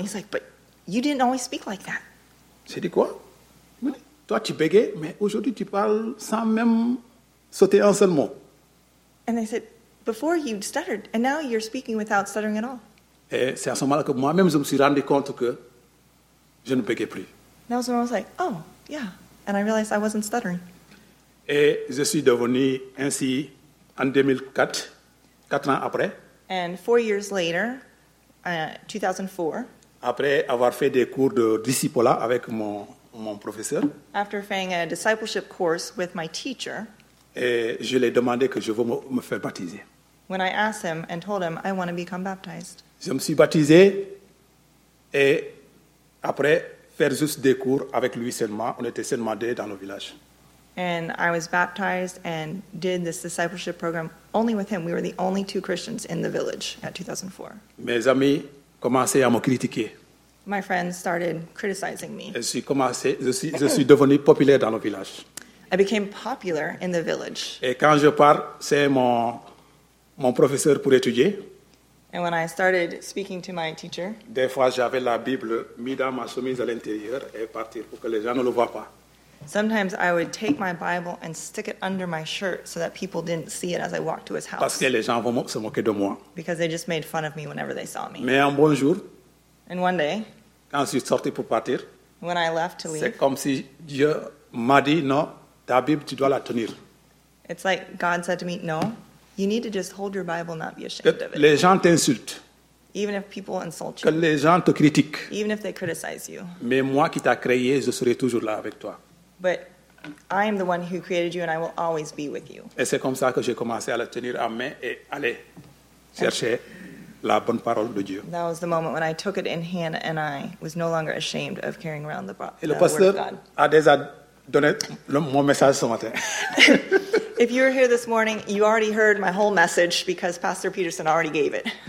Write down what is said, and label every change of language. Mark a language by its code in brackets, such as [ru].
[en] He's like, but you didn't always speak like that. [fr] J'ai dit quoi? Oui. Toi, tu bégais, mais aujourd'hui, tu parles sans même sauter un seul mot. [en] And they said, before you stuttered, and now you're speaking without stuttering at all. [fr] Et c'est à ce moment-là que moi-même, je me suis rendu compte que je ne bégais plus. [en] And I was like, oh, yeah. And I realized I wasn't stuttering. [fr] Et je suis devenu ainsi en 2004, 4 ans après. [en] And 4 years later, 2004. [fr] Après avoir fait des cours de discipulat avec mon professeur. [en] After having a discipleship course with my teacher. [fr] Et je lui ai demandé que je veux me faire baptiser. [en] When I asked him and told him I want to become baptized. [fr] Je me suis baptisé et après faire juste des cours avec lui seulement, on était seulement deux dans le village. [en] And I was baptized and did this discipleship program only with him. We were the only two Christians in the village at 2004. [fr] Mes amis commençaient à me critiquer. [en] My friends started criticizing me. [fr] Je suis devenu populaire dans le village. [en] I became popular in the village. [fr] Et quand je pars, c'est mon professeur pour étudier. [en] And when I started speaking to my teacher. [fr] Des fois, j'avais la Bible mise dans ma chemise à l'intérieur et partir pour que les gens ne le voient pas. [en] Sometimes I would take my Bible and stick it under my shirt so that people didn't see it as I walked to his house. [fr] Parce que les gens vont se moquer de moi. [en] Because they just made fun of me whenever they saw me. [fr] Mais un bon jour, [en] and one day, [fr] quand je suis sorti pour partir, [en] when I left to leave, [fr] c'est comme si Dieu m'a dit, non, ta Bible, tu dois la tenir. [en] It's like God said to me, no, you need to just hold your Bible, not be ashamed [fr] que [en] of it. [fr] Les gens t'insultent. [en] Even if people insult you. [fr] Que les gens te critiquent. [en] Even if they criticize you. [fr] Mais moi qui t'a créé, je serai toujours là avec toi. [en] But I am the one who created you and I will always be with you. [fr] Et c'est comme ça que j'ai commencé à le tenir en main et aller chercher la bonne parole de Dieu. [en] That was the moment when I took it in hand and I was no longer ashamed of carrying around the word of God. [fr] Et le pasteur a déjà donné mon message ce matin. [en] If you were here this morning, you already heard my whole message because Pastor Peterson already gave it.